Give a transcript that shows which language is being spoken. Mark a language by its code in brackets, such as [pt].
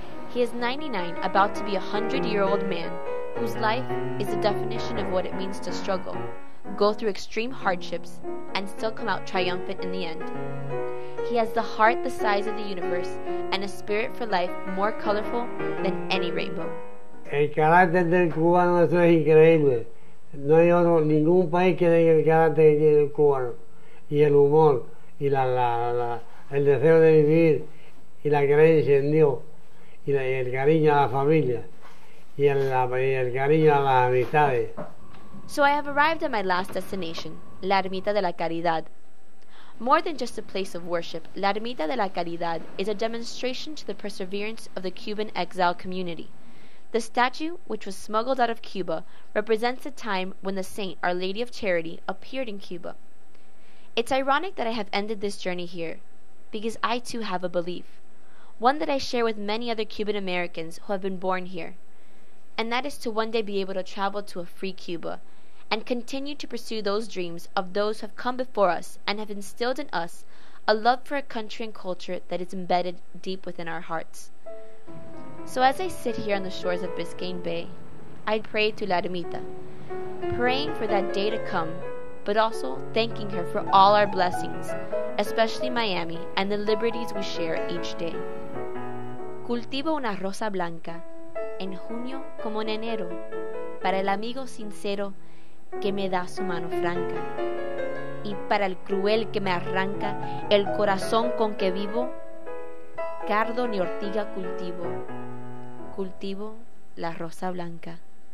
[en] He is 99, about to be a 100-year-old man, whose life is the definition of what it means to struggle, go through extreme hardships, and still come out triumphant in the end. He has the heart the size of the universe and a spirit for life more colorful than any rainbow. [es] El carácter del cubano es increíble. No hay otro, ningún país que tenga el carácter que tiene el cubano. Y el humor, y el deseo de vivir, y la creencia en Dios, y el cariño a la familia, y el cariño a las amistades. [en] So I have arrived at my last destination, La Ermita de la Caridad. More than just a place of worship, La Ermita de la Caridad is a demonstration to the perseverance of the Cuban exile community. The statue, which was smuggled out of Cuba, represents a time when the saint, Our Lady of Charity, appeared in Cuba. It's ironic that I have ended this journey here, because I too have a belief, one that I share with many other Cuban Americans who have been born here, and that is to one day be able to travel to a free Cuba and continue to pursue those dreams of those who have come before us and have instilled in us a love for a country and culture that is embedded deep within our hearts. So as I sit here on the shores of Biscayne Bay, I pray to La Ermita, praying for that day to come, but also thanking her for all our blessings, especially Miami and the liberties we share each day. [es] Cultivo una rosa blanca, en junio como en enero, para el amigo sincero que me da su mano franca, y para el cruel que me arranca el corazón con que vivo, cardo ni ortiga cultivo. Cultivo la rosa blanca.